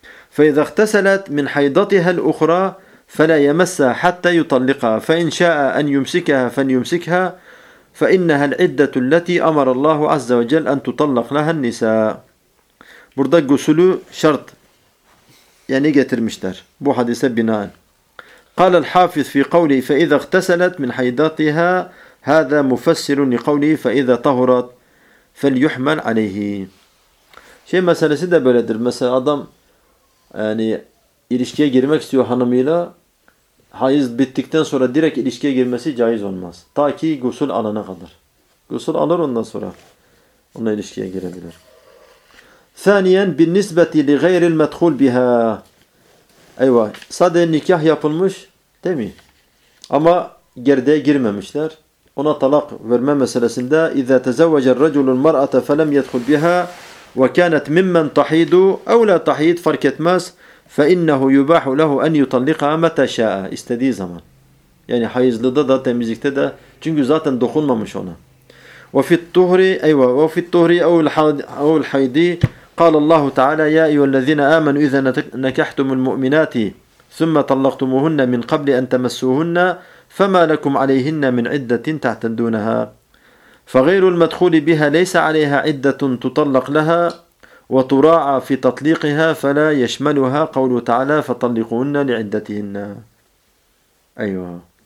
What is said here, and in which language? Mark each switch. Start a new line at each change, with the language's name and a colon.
Arabic: Fa iza igtasalat min haydatiha al-ukhra فلا يمسها حتى يطلقها فإن شاء أن يمسكها فليمسكها فإنها العدة التي أمر الله عز وجل أن تطلق لها النساء.
Turkish: Burada gusülü şart yani getirmişler bu hadise binaen.
Arabic: قال الحافظ في قوله فإذا اغتسلت من حيضتها هذا مفسر لقوله فإذا طهرت فليحمل عليه.
Turkish: Şey meselesi de böyledir. Mesela adam yani ilişkiye girmek istiyor hanımıyla. Hayız bittikten sonra direkt ilişkiye girmesi caiz olmaz. Ta ki gusül alana kadar. Gusül alır ondan sonra onunla ilişkiye girebilir.
Arabic: Saniyen bin nisbeti li gayril medhul biha.
Turkish: Eyvah. Sadece nikah yapılmış değil mi? Ama gerdeğe girmemişler. Ona talak verme meselesinde
Arabic: اِذَا تَزَوَّجَ الرَّجُلُ الْمَرْأَةَ فَلَمْ يَدْخُلْ بِهَا وَكَانَتْ مِمَّنْ تَحِيدُ اَوْ لَا تَحِيدُ فَرْكَ etmez. فَإِنَّهُ يُبَاحُ لَهُ أَنْ يُطَلِّقَهَا مَتَ شَاءَ
Turkish: istediği zaman. Yani hayızlıda da temizlikte de çünkü zaten dokunmamış ona.
Arabic: وَفِي الطُّهْرِ اَيْوَا وَفِي الطُّهْرِ اَوْ الْحَيْدِ قَالَ اللّٰهُ تَعَالَى يَا اَيُّوَ الَّذِينَ آمَنُوا اِذَا نَكَحْتُمُ الْمُؤْمِنَاتِ ثُمَّ طَلَّقْتُمُهُنَّ مِنْ قَبْلِ أَنْ تَمَسُّوهُنَّ فَمَا لَكُمْ عَلَيْهِنَّ مِنْ عِدَّةٍ تَعْتَدُّونَهَا فَغَيْرُ الْمَدْخُولِ بِهَا لَيْسَ عَلَيْهَا عِدَّةٌ تُطَلَّقْ لَهَا وتراعى في تطليقها فلا يشملها قوله تعالى فطلقوهن لعدتهن. ايوه.